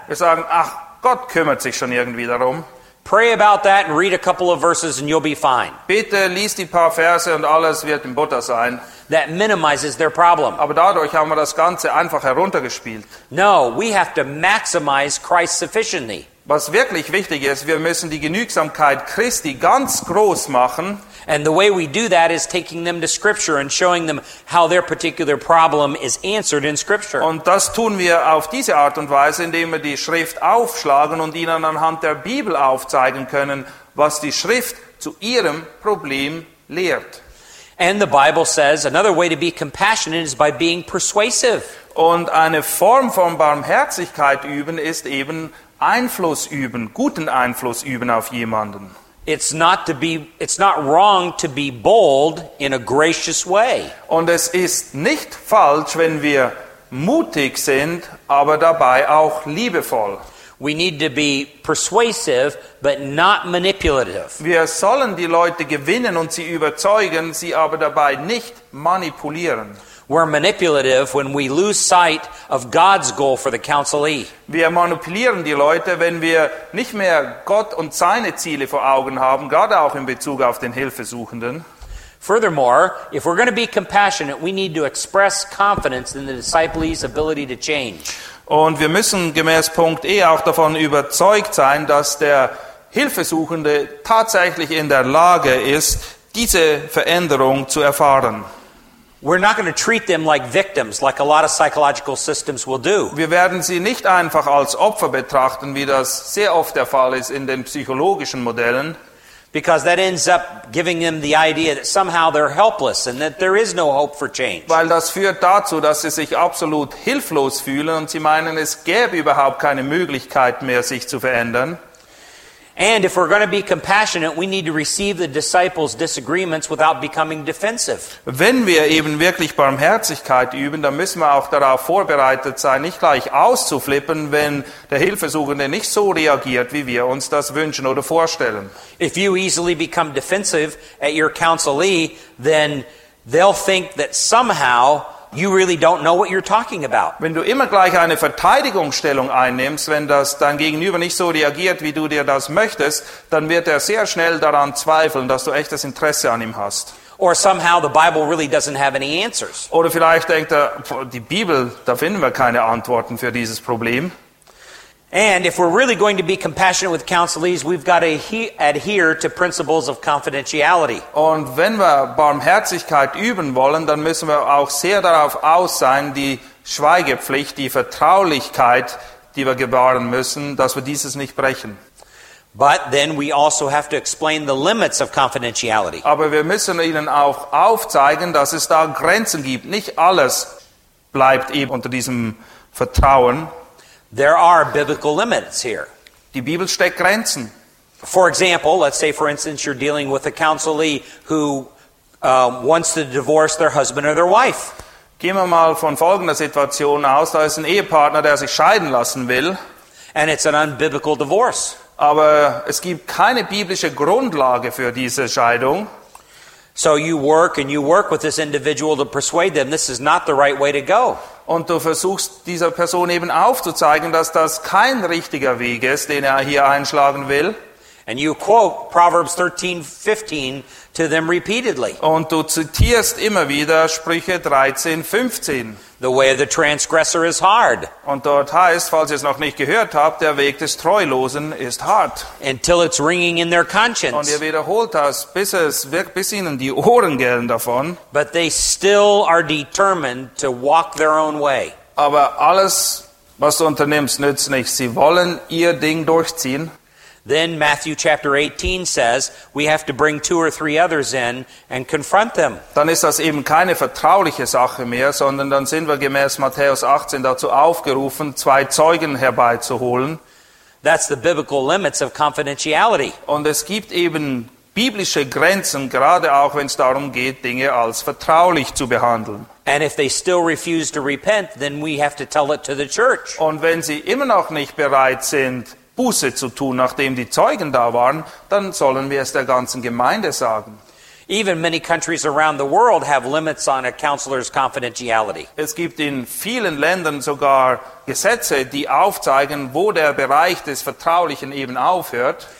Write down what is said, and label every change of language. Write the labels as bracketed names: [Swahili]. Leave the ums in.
[German] Wir sagen, ach, Gott kümmert sich schon irgendwie darum. [English] Pray about that and read a couple of verses and you'll be fine. [German] Bitte liest die paar Verse und alles wird im Butter sein. [English] That minimizes their problem. [German] Aber dadurch haben wir das Ganze einfach heruntergespielt. [English] No, we have to maximize Christ's sufficiently. [German] Was wirklich wichtig ist, wir müssen die Genügsamkeit Christi ganz groß machen. [English] And the way we do that is taking them to Scripture and showing them how their particular problem is answered in Scripture. And that's [German] tun wir auf diese Art und Weise, indem wir die Schrift aufschlagen und ihnen anhand der Bibel aufzeigen können, was die Schrift zu ihrem Problem lehrt. [English] And the Bible says another way to be compassionate is by being persuasive. [German] And eine Form von Barmherzigkeit üben ist eben Einfluss üben, guten Einfluss üben auf jemanden. [English] It's not, be, it's not wrong to be bold in a gracious way. [German] Und es ist nicht falsch, wenn wir mutig sind, aber dabei auch liebevoll. [English] We need to be persuasive but not manipulative. [German] Wir sollen die Leute gewinnen und sie überzeugen, sie aber dabei nicht manipulieren. [English] We're manipulative when we lose sight of God's goal for the counselee. [German] Wir manipulieren die Leute, wenn wir nicht mehr [English] God and His goals [German] vor Augen haben, gerade auch in Bezug auf den Hilfesuchenden. [English] Furthermore, if we're going to be compassionate, we need to express confidence in the disciple's ability to change. [German] Und wir müssen gemäß Punkt E auch davon überzeugt sein, [English] help [German] der Hilfesuchende tatsächlich in der Lage ist, diese Veränderung zu erfahren. [English] We're not going to treat them like victims, like a lot of psychological systems will do. [German] Wir werden sie nicht einfach als Opfer betrachten, wie das sehr oft der Fall ist in den psychologischen Modellen. [English] Because that ends up giving them the idea that somehow they're helpless and that there is no hope for change. [German] Weil das führt dazu, dass sie sich absolut hilflos fühlen und sie meinen, es gäbe überhaupt keine Möglichkeit mehr, sich zu verändern. [English] And if we're going to be compassionate, we need to receive the disciples' disagreements without becoming defensive. [German] Wenn wir eben wirklich Barmherzigkeit üben, dann müssen wir auch darauf vorbereitet sein, nicht gleich auszuflippen, wenn der Hilfesuchende nicht so reagiert, wie wir uns das wünschen oder vorstellen. [English] If you easily become defensive at your counselee, then they'll think that somehow You really don't know what you're talking about. [German] Wenn du immer gleich eine Verteidigungsstellung einnimmst, wenn das dein Gegenüber nicht so reagiert, wie du dir das möchtest, dann wird er sehr schnell daran zweifeln, dass du echtes das Interesse an ihm hast. [English] Or somehow the Bible really doesn't have any answers. [German] Oder vielleicht denkt er, die Bibel, da finden wir keine Antworten für dieses Problem. [English] And if we're really going to be compassionate with counselees, we've got to adhere to principles of confidentiality. [German] Und wenn wir Barmherzigkeit üben wollen, dann müssen wir auch sehr darauf aus sein, die Schweigepflicht, die Vertraulichkeit, die wir gewahren müssen, dass wir dieses nicht brechen. [English] But then we also have to explain the limits of confidentiality. [German] Aber wir müssen ihnen auch aufzeigen, dass es da Grenzen gibt. Nicht alles bleibt eben unter diesem Vertrauen. [English] There are biblical limits here. [German] Die Bibel [English] For example, let's say, for instance, you're dealing with a counselee who uh, wants to divorce their husband or their wife. [German] Gehen wir mal von folgender Situation aus: Da ist ein Ehepartner, der sich scheiden lassen will. [English] And it's an unbiblical divorce. [German] Aber es gibt keine biblische Grundlage für diese Scheidung. [English] So you work and you work with this individual to persuade them this is not the right way to go. [German] und du versuchst dieser Person eben aufzuzeigen, dass das kein richtiger Weg ist, den er hier einschlagen will. [English] And you quote Proverbs 13, to them repeatedly. [German] Und du zitierst immer wieder Sprüche 13, 15. [English] The way of the transgressor is hard. [German] Und dort heißt, falls ihr es noch nicht gehört habt, der Weg des Treulosen ist hart. [English] Until it's ringing in their conscience. [German] Und ihr wiederholt das, bis es bis ihnen die Ohren gellen davon. [English] But they still are determined to walk their own way. [German] Aber alles, was du unternimmst, nützt nichts. Sie wollen ihr Ding durchziehen. [English] Then Matthew chapter 18 says, we have to bring two or three others in and confront them. [German] Dann ist das eben keine vertrauliche Sache mehr, sondern dann sind wir gemäß Matthäus 18 dazu aufgerufen, zwei Zeugen herbeizuholen. [English] That's the biblical limits of confidentiality. [German] and es gibt [English] biblical limits, [German] Grenzen, gerade auch wenn es darum geht, Dinge als vertraulich zu behandeln. [English] And if they still refuse to repent, then we have to tell it to the church. [German] Und wenn sie immer noch nicht bereit sind, Buße zu tun, nachdem die Zeugen da waren, dann sollen wir es der ganzen Gemeinde sagen. Es gibt in vielen Ländern sogar Gesetze, die aufzeigen, wo der Bereich des Vertraulichen eben aufhört.